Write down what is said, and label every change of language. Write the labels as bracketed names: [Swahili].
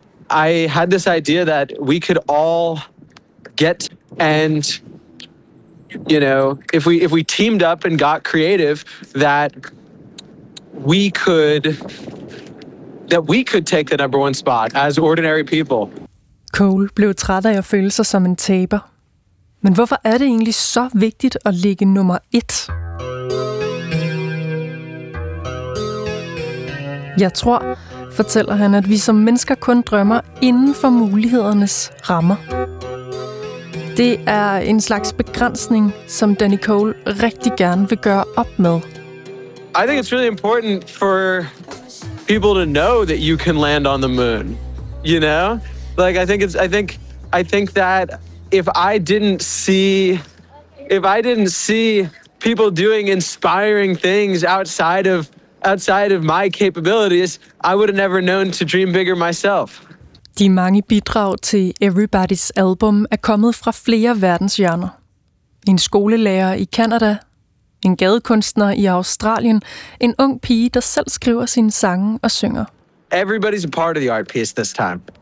[English] I had this idea that we could all get and, you know, if we teamed up and got creative, that we could take the number one spot as ordinary people. [Danish] Cole blev træt af at føle sig som en taber. Men hvorfor er det egentlig så vigtigt at ligge nummer et? Jeg tror, fortæller han, at vi som mennesker kun drømmer inden for mulighedernes rammer. Det er en slags begrænsning, som Danny Cole rigtig gerne vil gøre op med. [English] I think it's really important for people to know that you can land on the moon. You know? Like I think that if I didn't see people doing inspiring things outside of my capabilities, I would have never known to dream bigger myself. [Danish] De mange bidrag til Everybody's album er kommet fra flere verdenshjørner. En skolelærer i Canada, en gadekunstner i Australien, en ung pige, der selv skriver sine sange og synger. [English] Everybody's a part of the art piece this time.